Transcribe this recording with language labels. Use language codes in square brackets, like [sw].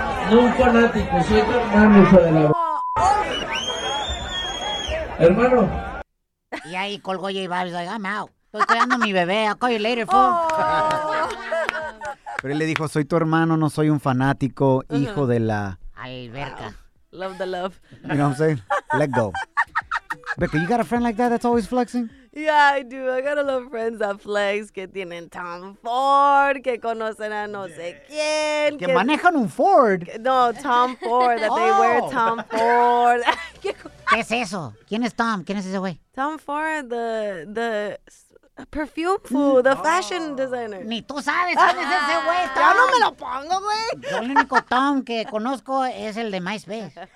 [es] No un fanático, soy tu hermano, hijo de la hermano. Y ahí colgó J Balvin, [en] like, I'm out. [es] Estoy cuidando a mi bebé, [en] I'll call you later, fool. [es] Pero él le dijo, soy tu hermano, no soy un fanático, hijo de la alberca. [en] Love the love. You know what I'm saying? Let go. Becca, you got a friend like that that's always flexing? Yeah, I do. I got a lot of friends that flex, [es] que tienen Tom Ford, que conocen a no sé quién. Que manejan un Ford. [en] Tom Ford, that they wear Tom Ford. [es] ¿Qué es eso? ¿Quién es Tom? ¿Quién es ese güey? [en] Tom Ford, the perfume fool, the fashion designer. [es] Ni tú sabes quién es ese güey, Tom. Yo no me lo pongo, güey. Yo el único Tom que conozco es el de MySpace.